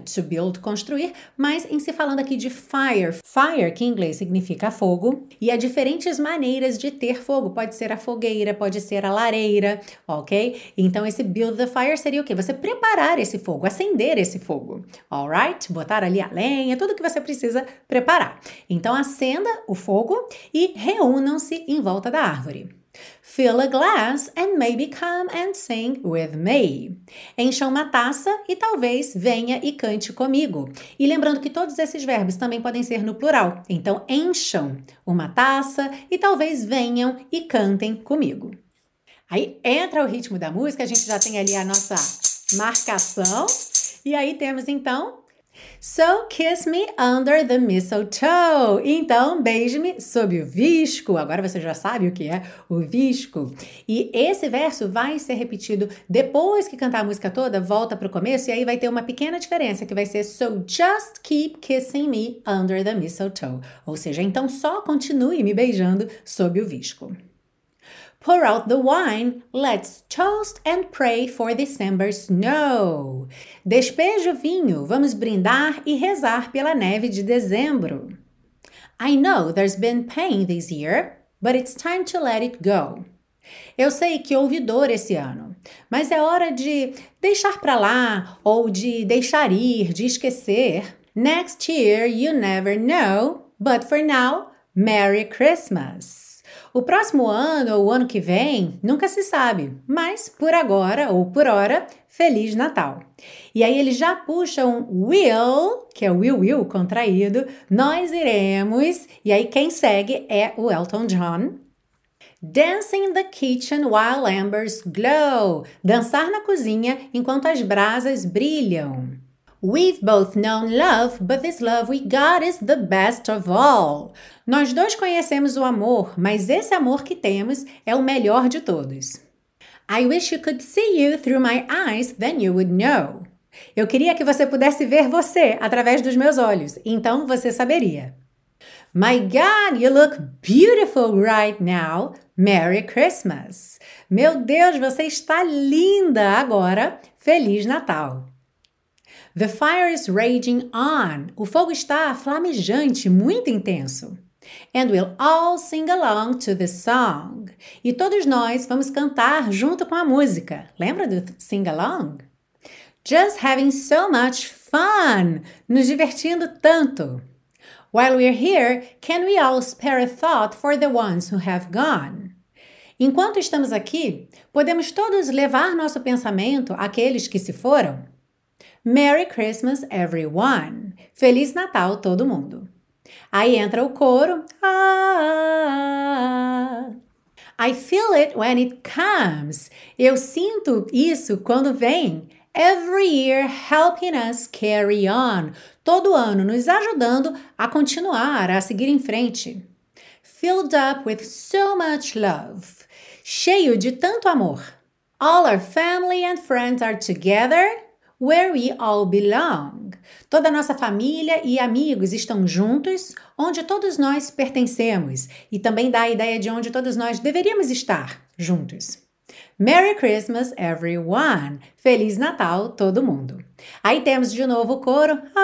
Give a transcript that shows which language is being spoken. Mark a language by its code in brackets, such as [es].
[en] To build, [pt] construir, mas em se falando aqui de fire, fire que em inglês significa fogo, e há diferentes maneiras de ter fogo, pode ser a fogueira, pode ser a lareira, ok? Então esse [en] build the fire [pt] seria o quê? Você preparar esse fogo, acender esse fogo, alright? Botar ali a lenha, tudo que você precisa preparar. Então acenda o fogo e reúnam-se em volta da árvore. [en] Fill a glass and maybe come and sing with me. [pt] Encha uma taça e talvez venha e cante comigo. E lembrando que todos esses verbos também podem ser no plural. Então, encham uma taça e talvez venham e cantem comigo. Aí entra o ritmo da música, a gente já tem ali a nossa marcação. E aí temos então... [en] So kiss me under the mistletoe. [pt] Então, beije-me sob o visco. Agora você já sabe o que é o visco. E esse verso vai ser repetido depois que cantar a música toda, volta para o começo, e aí vai ter uma pequena diferença, que vai ser [en] So just keep kissing me under the mistletoe. [pt] Ou seja, então só continue me beijando sob o visco. [en] Pour out the wine, let's toast and pray for December snow. [pt] Despeje o vinho, vamos brindar e rezar pela neve de dezembro. [en] I know there's been pain this year, but it's time to let it go. [pt] Eu sei que houve dor esse ano, mas é hora de deixar para lá ou de deixar ir, de esquecer. [en] Next year you never know, but for now, Merry Christmas. [pt] O próximo ano ou o ano que vem, nunca se sabe, mas por agora ou por hora, Feliz Natal. E aí ele já puxa um will, que é o will contraído, nós iremos, e aí quem segue é o Elton John. [en] Dancing in the kitchen while embers glow. [pt] Dançar na cozinha enquanto as brasas brilham. [en] We've both known love, but this love we got is the best of all. [pt] Nós dois conhecemos o amor, mas esse amor que temos é o melhor de todos. [en] I wish you could see you through my eyes, then you would know. [pt] Eu queria que você pudesse ver você através dos meus olhos, então você saberia. [en] My God, you look beautiful right now. Merry Christmas. [pt] Meu Deus, você está linda agora. Feliz Natal. [en] The fire is raging on. [pt] O fogo está flamejante, muito intenso. [en] And we'll all sing along to the song. [pt] E todos nós vamos cantar junto com a música. Lembra do [en] sing along? Just having so much fun. [pt] Nos divertindo tanto. [en] While we're here, can we all spare a thought for the ones who have gone? [pt] Enquanto estamos aqui, podemos todos levar nosso pensamento àqueles que se foram? [en] Merry Christmas, everyone! [pt] Feliz Natal, todo mundo! Aí entra o coro. [en] Ah, I feel it when it comes. [pt] Eu sinto isso quando vem. [en] Every year helping us carry on. [pt] Todo ano nos ajudando a continuar, a seguir em frente. [en] Filled up with so much love. [pt] Cheio de tanto amor. [en] All our family and friends are together. Where we all belong. [pt] Toda nossa família e amigos estão juntos, onde todos nós pertencemos. E também dá a ideia de onde todos nós deveríamos estar juntos. [en] Merry Christmas, everyone! [pt] Feliz Natal, todo mundo! Aí temos de novo o coro.